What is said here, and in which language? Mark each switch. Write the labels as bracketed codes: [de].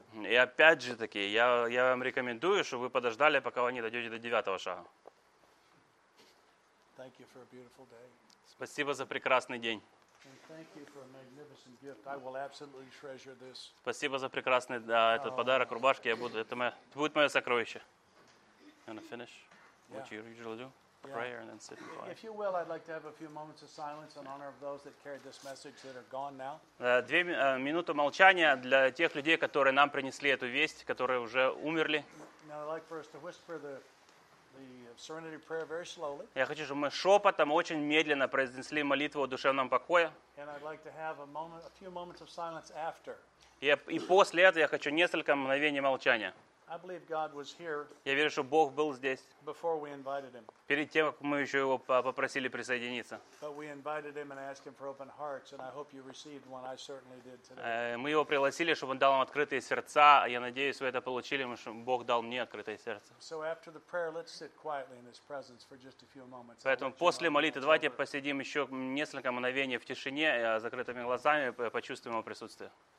[ru] И опять же таки, я вам рекомендую, чтобы вы подождали, пока вы не дойдете до девятого шага. [en] Thank you for a beautiful day. [ru] Спасибо за прекрасный день. [en] And thank you for a magnificent gift. I will absolutely treasure this. [ru] Спасибо за прекрасный этот подарок рубашки. Это будет мое сокровище. [en] You wanna finish? What you usually do? Prayer and then sit and quiet. If you will, I'd like to have a few moments of silence in honor of those that carried this message that are gone now. [ru] Две минуты молчания для тех людей, которые нам принесли эту весть, которые уже умерли. [en] Now I'd like for us to whisper the Serenity Prayer very slowly. [ru] Я хочу, чтобы мы шепотом очень медленно произнесли молитву о душевном покое. [en] And I'd like to have a few moments of silence after. [ru] И после этого я хочу несколько мгновений молчания. [en] I believe God was here. [ru] Я верю, что Бог был здесь. [en] Before we invited him. [ru] Перед тем, как мы еще его попросили присоединиться. [en] But we invited him and asked him for open hearts, and I hope you received one. I certainly did today. [ru] Мы его пригласили, чтобы он дал нам открытые сердца. Я надеюсь, вы это получили, потому что Бог дал мне открытое сердце. [en] So after the prayer, let's sit quietly in his presence for just a few moments. [ru] Поэтому после молитвы давайте посидим еще несколько мгновений в тишине, закрытыми глазами, почувствуем его присутствие.